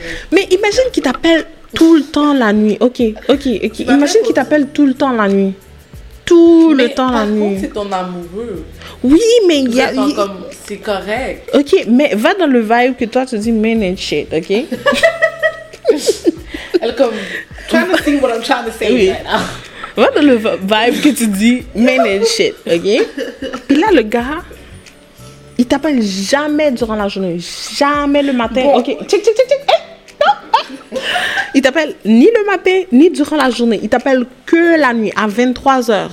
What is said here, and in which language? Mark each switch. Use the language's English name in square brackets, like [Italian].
[French] Mais imagine qu'il t'appelle tout le temps la nuit. Ok. Imagine qu'il t'appelle tout le temps la nuit. C'est ton amoureux. Oui, mais il y a... C'est correct. Ok, mais va dans le vibe que toi, tu dis « [English] man and shit [French] », ok? Elle comme... [English] Trying to think what I'm trying to say right now. [French] Va dans le vibe que tu dis « [English] man and shit [French] », ok? Puis là, le gars... Il t'appelle jamais durant la journée, jamais le matin. Bon. Ok, tic. Il t'appelle ni le matin, ni durant la journée. Il t'appelle que la nuit, à 23h,